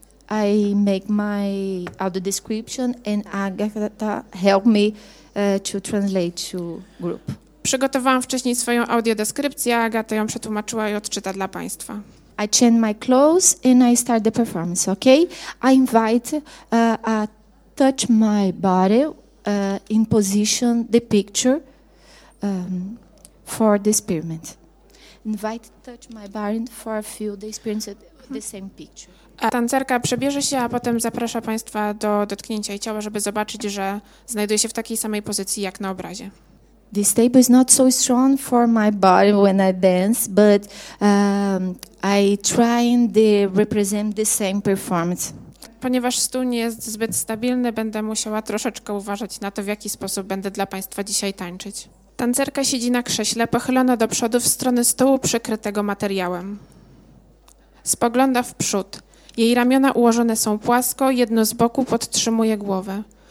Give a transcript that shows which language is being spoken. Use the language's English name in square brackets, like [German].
[English] I make my audio description and Agatha help me to translate to group. [Polish] Przygotowałam wcześniej swoją audiodeskrypcję, Agata ją przetłumaczyła i odczyta dla państwa. [English] I change my clothes and I start the performance, okay? I invite a touch my body in position the picture for the experiment. Invite touch my body for a few the experience the same picture. [Polish] A tancerka przebierze się, a potem zaprasza państwa do dotknięcia jej ciała, żeby zobaczyć, że znajduje się w takiej samej pozycji jak na obrazie. [English] This table is not so strong for my body when I dance, but I try to represent the same performance. [Polish] Ponieważ stół nie jest zbyt stabilny, będę musiała troszeczkę uważać na to, w jaki sposób będę dla państwa dzisiaj tańczyć. Tancerka siedzi na krześle, pochylona do przodu w stronę stołu przykrytego materiałem. Spogląda w przód. Jej ramiona ułożone są płasko, jedno z boku podtrzymuje głowę.